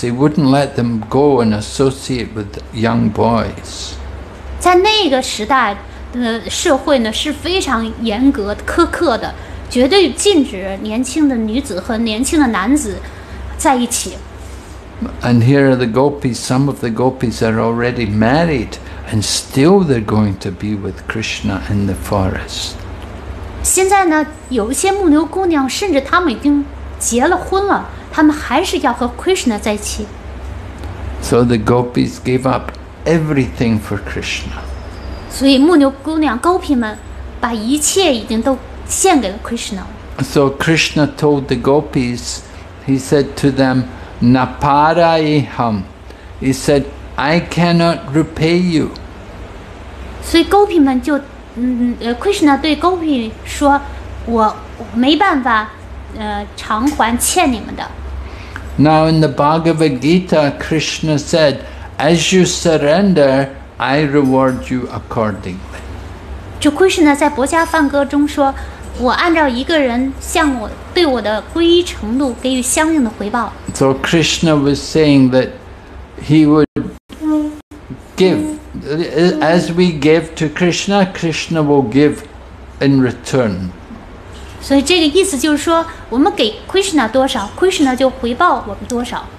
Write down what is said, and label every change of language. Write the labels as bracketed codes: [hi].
[en] They wouldn't let them go and associate with young boys. [zh] 在那个时代，社会呢是非常严格苛刻的，绝对禁止年轻的女子和年轻的男子在一起。 [en] And here are the gopis. Some of the gopis are already married, and still they're going to be with Krishna in the forest. [zh] 现在呢，有一些牧牛姑娘，甚至她们已经结了婚了，她们还是要和 Krishna 在一起。 [en] So the gopis gave up everything for Krishna. [zh] 所以牧牛姑娘、高皮们把一切已经都献给了 Krishna。 [en] So Krishna told the gopis, he said to them, Naparaiham. He said, I cannot repay you. [zh] 所以高皮们就Krishna 对 Gopi 说我没办法偿还欠你们的 [en] Now in the Bhagavad Gita Krishna said As you surrender I reward you accordingly [zh] 就 Krishna 在博迦梵歌中说我按照一个人向我对我的皈依程度给予相应的回报 [en] So Krishna was saying that he would give As we give to Krishna, Krishna will give in return. So, this [zh] 意思就是说，我们给 Krishna 多少 ，Krishna 就回报我们多少。